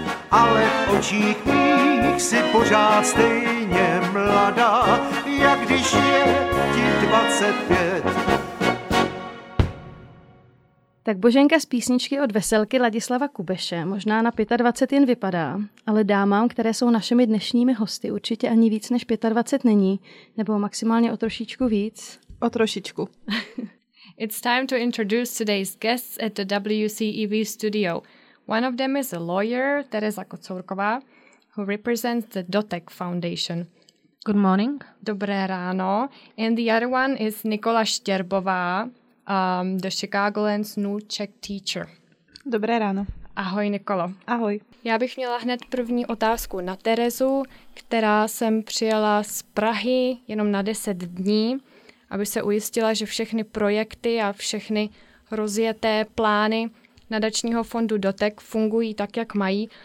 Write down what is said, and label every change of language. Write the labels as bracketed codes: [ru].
[cs] Ale v očích mých si pořád stejně mladá, jak když je ti 25. Tak Boženka z písničky od Veselky Ladislava Kubeše možná na 25 jen vypadá, ale dámám, které jsou našimi dnešními hosty, určitě ani víc než 25 není, nebo maximálně o trošičku víc. O trošičku. [en] It's time to introduce today's guests at the WCEV studio. One of them is a lawyer, Tereza Kocourková, who represents the Dotek Foundation. Good morning. [cs] Dobré ráno. [en] And the other one is Nikola Štěrbová, the Chicagoland's new Czech teacher. [cs] Dobré ráno. Ahoj, Nikolo. Ahoj. Já bych měla hned první otázku na Terezu, která sem přijela z Prahy jenom na 10 dní, aby se ujistila, že všechny projekty a všechny rozjeté plány nadačního fondu Dotek fungují tak, jak mají.